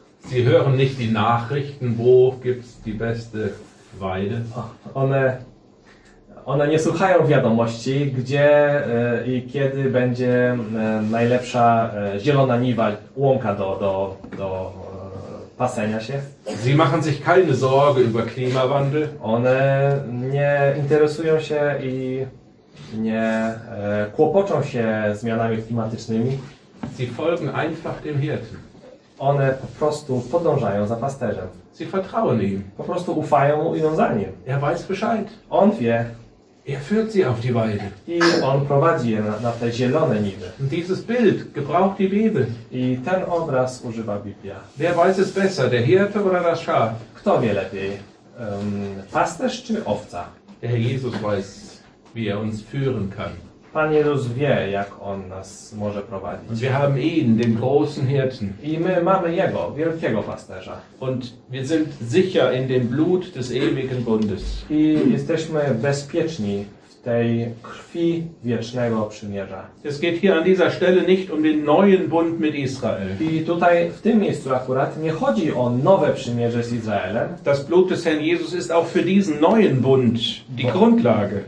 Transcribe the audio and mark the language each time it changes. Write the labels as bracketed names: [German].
[German] Sie hören nicht die Nachrichten, wo gibt's die beste Weide. [Polish] One nie słuchają wiadomości, gdzie i kiedy będzie najlepsza zielona niwa, łąka do pasenia się. [German] Sie machen sich keine Sorge über Klimawandel. [Polish] One nie interesują się i nie kłopoczą się zmianami klimatycznymi. [German] Sie folgen einfach dem Hirten. [Polish] One po prostu podążają za pasterzem. [German] Sie vertrauen ihm. [Polish] Po prostu ufają mu i idą za nim. [German] Er weiß Bescheid. [Polish] On wie. [German] Er führt sie auf die Weide. [Polish] I on prowadzi je na te zielone niwy. [German] Dieses Bild gebraucht die Bibel. [Polish] I ten obraz używa Biblia. [German] Wer weiß es besser, der Hirte oder das Schaf? [Polish] Kto wie lepiej? Pasterz czy owca? [German] Der Herr Jesus weiß, wie er uns führen kann. [Polish] Pan Jezus wie, jak on nas może prowadzić. [German] Und wir haben ihn, den großen Hirten. [Polish] I my mamy jego, wielkiego pasterza. [German] Und wir sind sicher in dem Blut des ewigen Bundes. [Polish] I jesteśmy bezpieczni w tej krwi wiecznego przymierza. [German] Es geht hier an dieser Stelle nicht um den neuen Bund mit Israel. [Polish] I tutaj, w tym miejscu akurat, nie chodzi o nowe przymierze z Izraelem. [German] Das Blut des Herrn Jesus ist auch für diesen neuen Bund die Grundlage.